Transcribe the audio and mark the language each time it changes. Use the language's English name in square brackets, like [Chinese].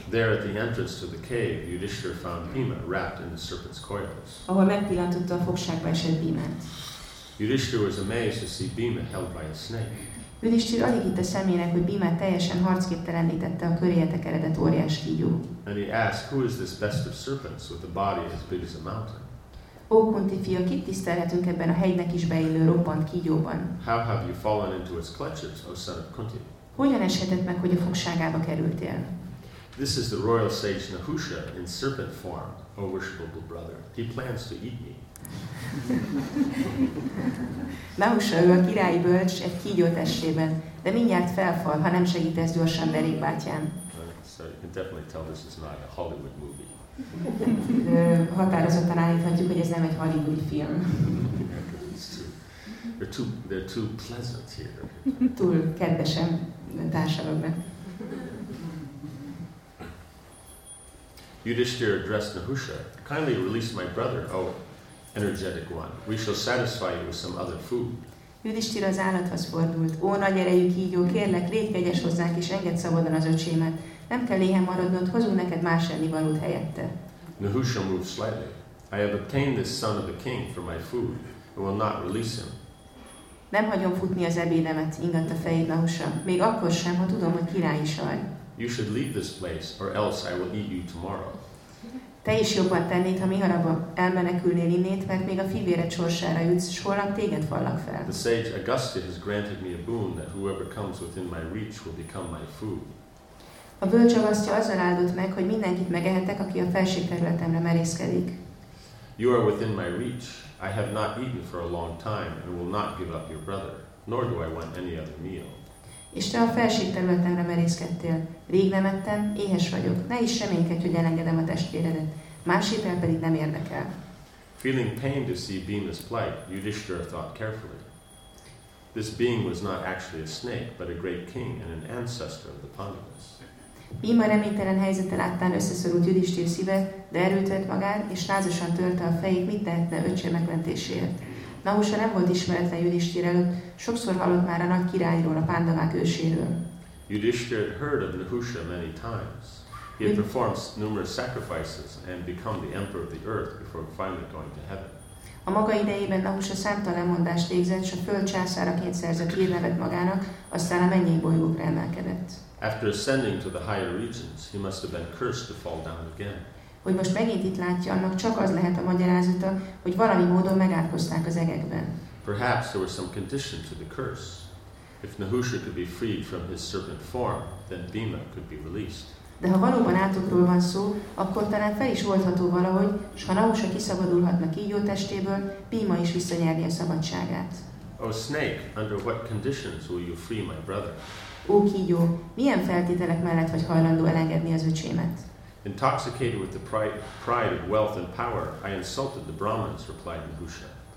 [English] There at the entrance to the cave, Yudhishthira found Bhima wrapped in the serpent's coils. [Hungarian] Ahol megpillantotta a fogságba esett Bhimát. [English] Yudhishthira was amazed to see Bhima held by a snake. [Hungarian] Yudhishthira alig hitte szemének, hogy Bhimát teljesen harcképtelenítette a köréje tekeredett óriás kígyó. [English] And he asked, who is this best of serpents with a body as big as a mountain? [Hungarian] Ó, Kunti fia, kit tisztelhetünk ebben a hegynek is beillő roppant kígyóban? [English] How have you fallen into its clutches, O son of Kunti? [Hungarian] Hogyan eshetett meg, hogy a fogságába kerültél? [English] This is the royal sage Nahusha in serpent form, O worshipable brother. He plans to eat me. [Hungarian] Nahusha, ő a királyi bölcs, egy kígyó testében, de mindjárt felfal, ha nem segítesz gyorsan derék bátyám. [English] So you can definitely tell this is not a Hollywood movie. [Hungarian] Határozottan állíthatjuk, hogy ez nem egy Hollywood film. [English] They're too pleasant here. [Hungarian] Túl kedvesen társalognak. [English] Yudhishthira addressed Nahusha, kindly release my brother, oh energetic one. We shall satisfy you with some other food. [Hungarian] Yudhishthira az állathoz fordult. Ó, nagy erejű kígyó, kérlek, légy kegyes hozzánk, és engedd szabadon az öcsémet. Nem kell éhen maradnod, hozunk neked más ennivalót helyette. [English] Nahusha moved slightly. I have obtained this son of the king for my food, and will not release him. [Hungarian] Nem hagyom futni az ebédemet, ingatt a fejét Nahusha. Még akkor sem, ha tudom, hogy királyi saj. [English] You should leave this place, or else I will eat you tomorrow. [Hungarian] Te is jobban tennéd, ha miharabb elmenekülnél innét, mert még a fivéred sorsára jutsz, s holnap téged vallak fel. [English] The sage Augusta has granted me a boon that whoever comes within my reach will become my food. [Hungarian] A bölcs avasztja azzal áldott meg, hogy mindenkit megehetek, aki a felség területemre merészkedik. [English] You are within my reach. I have not eaten for a long time and will not give up your brother, nor do I want any other meal. [Hungarian] És te a felség területemre merészkedtél. Rég nem ettem, éhes vagyok. Ne is reménykedj, hogy elengedem a testvéredet. Más étel pedig nem érdekel. [English] Feeling pain to see Bhima's plight, Yudhishthira thought carefully. This being was not actually a snake, but a great king and an ancestor of the Pandavas. [Hungarian] Bhima reménytelen helyzete láttán összeszorult Yudhishthira szíve, de erőt vett magán, és rázosan törte a fejét, mit tehetne öccse megmentéséért. Nahusha nem volt ismeretlen Yudhishthira előtt, sokszor hallott már a nagy királyról, a Pandavák őséről. [English] Yudhishthira had heard of Nahusha many times. He had performed numerous sacrifices and become the emperor of the earth before finally going to heaven. [Hungarian] A maga idejében Nahusha számtalan lemondást végzett, s a föld császáraként szerzett hírnevet magának, aztán a mennyei bolygókra emelkedett. [English] After ascending to the higher regions, he must have been cursed to fall down again. [Hungarian] Hogy most megint itt látja, annak csak az lehet a magyarázata, hogy valami módon megátkozták az egekben. [English] Perhaps there was some condition to the curse. If Nahusha could be freed from his serpent form, then Bhima could be released. [Hungarian] De ha valóban átokról van szó, akkor talán fel is oldható valahogy, s ha Nahusha kiszabadulhatna kígyó testéből, Bhima is visszanyerni a szabadságát. [English] O snake, under what conditions will you free my brother? [Hungarian] Ó kígyó, milyen feltételek mellett vagy hajlandó elengedni az öcsémet? [English] Intoxicated with the pride of wealth and power, I insulted the Brahmins, replied Nahusha.